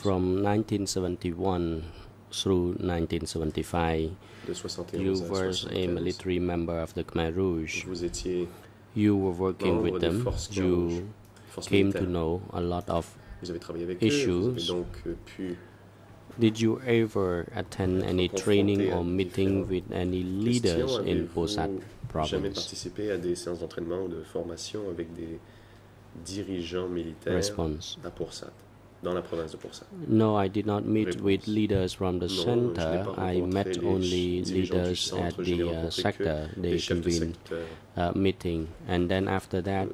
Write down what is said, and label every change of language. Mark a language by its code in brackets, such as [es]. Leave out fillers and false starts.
[en] From 1971 through 1975, you were a military member of the Khmer Rouge. [fr] Vous étiez. [en] You were working with them. You came to know a lot of issues. Did you ever attend any training or meeting with any leaders in Pusat province? [fr] Jamais participé à des séances d'entraînement ou de formation avec des dirigeants militaires. [en] Response. [fr] À Pusat, dans la province de Pusat. [en] No, I did not meet with leaders from the center. I met only leaders at the sector. They convened a meeting, and then after that,